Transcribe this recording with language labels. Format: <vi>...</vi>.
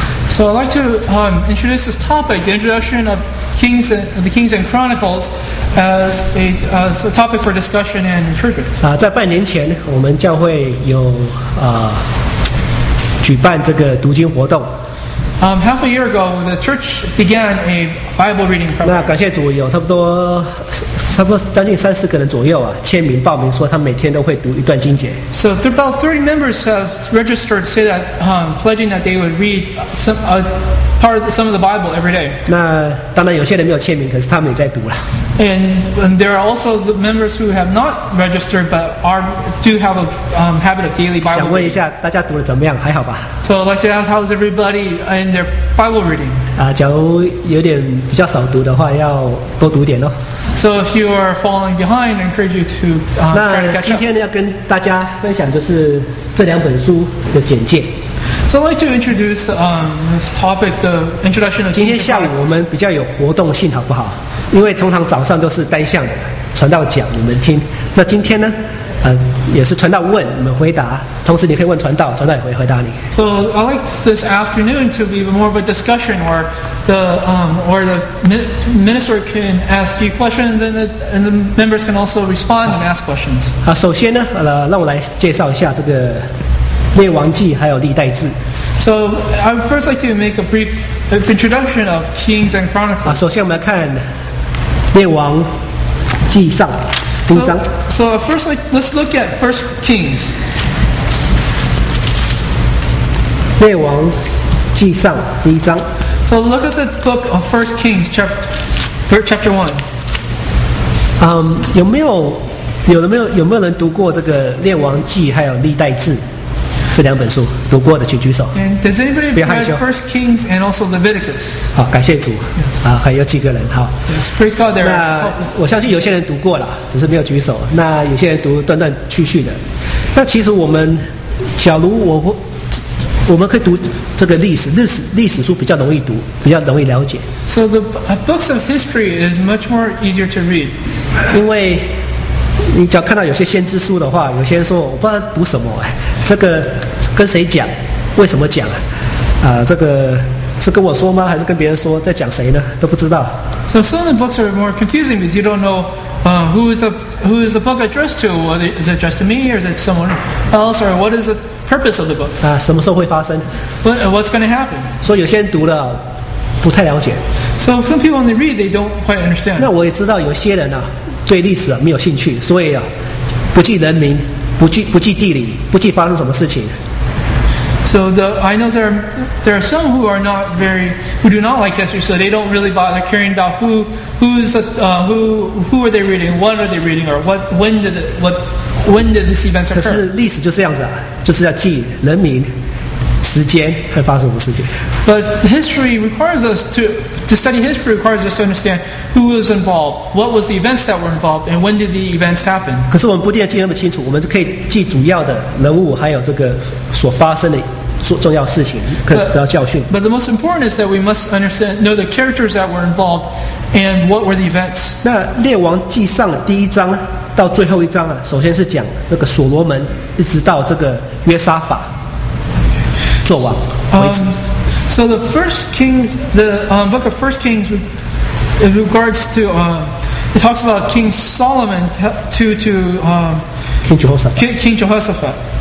<en>So I'd like to introduce this topic, the introduction of Kings and, the Kings and Chronicles, as a topic for discussion and encouragement.</en> <zh>在半年前，我们教会有举办这个读经活动。</zh> <en>Half a year ago, the church began a Bible reading program.</en> <zh>那感谢主，有差不多将近三四个人左右啊，签名报名说他每天都会读一段经节。</zh> <en>So about 30 members have registered, say that pledging that they would read some of the Bible every day.</en> <zh>那当然有些人没有签名，可是他们也在读了。</zh> <en>And there are also the members who have not registered but do have a habit of daily Bible reading.</en> <zh>想问一下大家读得怎么样，还好吧？</zh> <en>So I'd like to ask how is everybody in their Bible reading?</en> <zh>假如有点比较少读的话，要多读点咯。</zh> <en>So if you are falling behind, I encourage you to try to catch up.</en> <zh>那今天要跟大家分享就是这两本书的简介。</zh> <en>So I'd like to introduce this topic, the introduction of Kings and Chronicles.</en> <zh>今天下午我们比较有活动性，好不好？因为通常早上都是单向的传道讲你们听，那今天呢也是传道问你们回答，同时你可以问传道，传道也会回答你。</zh> <en>So I like this afternoon to be more of a discussion where the minister can ask you questions and the members can also respond and ask questions.</en> <zh>首先呢让我来介绍一下这个列王记还有历代志。</zh> <en>So I would first like to make a brief introduction of Kings and Chronicles.</en> <zh>首先我们来看列王记上第一章。</zh> <en>So first, let's look at First Kings.</en> <zh>列王记上第一章。</zh> <en>So look at the book of First Kings, chapter one.</en> <zh>有没有人读过这个列王记还有历代志这两本书？读过的请举手。</zh> <en>And does anybody read First Kings and also Leviticus?</en> <zh>好，感谢主。</zh> <en>Yes.</en> <zh>还有几个人。好。</zh> <en>Yes, praise God. There.</en> <zh>那我相信有些人读过了，只是没有举手。那有些人读断断续续的。那其实我们，假如我们可以读这个历史书比较容易读，比较容易了解。</zh> <en>So the books of history is much more easier to read.</en> <zh>因为你只要看到有些先知书的话，有些人说我不知道读什么，这个跟谁讲，为什么讲这个是跟我说吗，还是跟别人说，在讲谁呢，都不知道。</zh> <en>So some of the books are more confusing because you don't know who is the book addressed to. What is it addressed to, me or is it someone else, or what is the purpose of the book?</en> <zh>什么时候会发生，</zh> <en>what's going to happen?</en> <zh>所以有些人读了不太了解。</zh> <en>So some people when they read they don't quite understand.</en> <zh>那我也知道有些人对历史没有兴趣，所以不记人名，不记地理，不记发生什么事情。</zh> <en>So I know there are some who are not very who do not like history, so they don't really bother caring about who are they reading, what are they reading, or when did this events occur?</en> <zh>可是历史就是这样子就是要记人名、时间和发生什么事情。</zh> <en>But history requires us to study history requires us to understand who was involved, what was the events that were involved, and when did the events happen.</en> <zh>可是我们不一定要记那么清楚，我们就可以记主要的人物，还有这个所发生的重要事情，可以得到教训。</zh> <en>But the most important is that we must understand, know the characters that were involved, and what were the events.</en> <zh>那列王记上第一章到最后一章首先是讲这个所罗门，一直到这个约沙法作王为止。</zh> <en>So the first Kings, the book of First Kings, in regards to, it talks about King Solomon to King Jehoshaphat.</en>